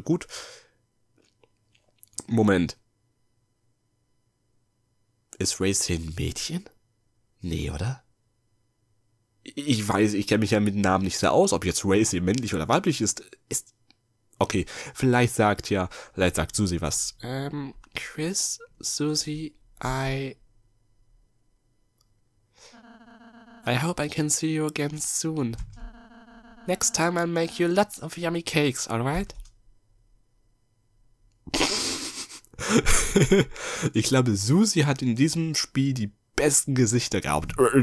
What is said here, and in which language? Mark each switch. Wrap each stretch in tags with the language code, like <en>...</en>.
<de>Gut. Moment. Ist Racer ein Mädchen? Nee, oder? Ich weiß, ich kenne mich ja mit dem Namen nicht sehr aus, ob jetzt Racy männlich oder weiblich ist. Ist. Okay, vielleicht sagt Susie was.</de> <en>Chris, Susie, I hope I can see you again soon. Next time I'll make you lots of yummy cakes, alright?</en> <de>Ich glaube, Susie hat in diesem Spiel die besten Gesichter gehabt.</de>